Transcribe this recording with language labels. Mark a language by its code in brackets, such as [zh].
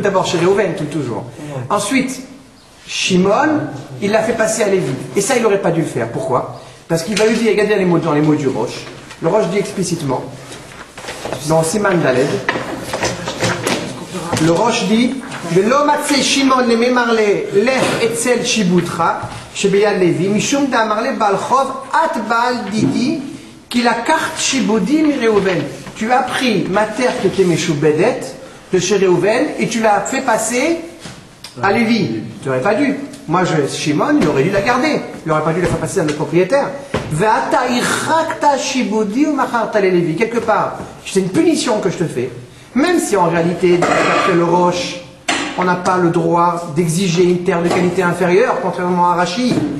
[fr] D'abord chez Réhouven, tout toujours. Ensuite, Shimon, il l'a fait passer à Lévi. Et ça, il n'aurait pas dû le faire. Pourquoi? Parce qu'il va lui dire, regardez dans les mots du Roche. Le Roche dit explicitement, dans Siman Daled, le Roche dit, [arc] ולא מצא שמעון למימר לה, לך אצל שיבוטך, שביד לוי, משום דאמר לה בעל חוב, את בעל דידי, כי לקחת שיבודי מראובן. [fr] Tu as pris ma terre qui était méchoubédette de chez Réhouven et tu l'as fait passer à Lévi. Tu n'aurais pas dû. Moi, je, Shimon, il aurait dû la garder. Il n'aurait pas dû la faire passer à notre propriétaire. [he] Ve'ata ichakta shibudi ou macharta le Lévi. [fr] Quelque part, c'est une punition que je te fais. Même si en réalité, d'après le Roche, on n'a pas le droit d'exiger une terre de qualité inférieure, contrairement à Rashi.